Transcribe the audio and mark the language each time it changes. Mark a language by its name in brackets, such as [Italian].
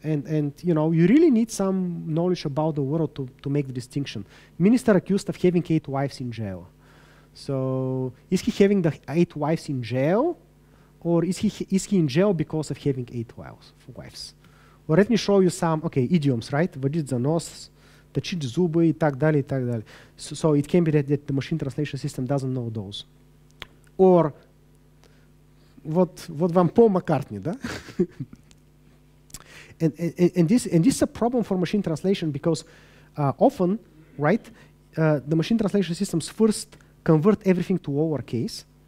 [English] And you really need some knowledge about the world to make the distinction. Minister accused of having 8 wives in jail. So is he having the 8 wives in jail? Or is he in jail because of having 8 wives? Well, let me show you some idioms, right? [Russian] Водить за нос, точить зубы и так далее, и так далее. [English] So it can be that the machine translation system doesn't know those. Or [Russian] вот вам Пол Маккартни, да? [English] And this is a problem for machine translation because often, right, the machine translation systems first convert everything to lowercase.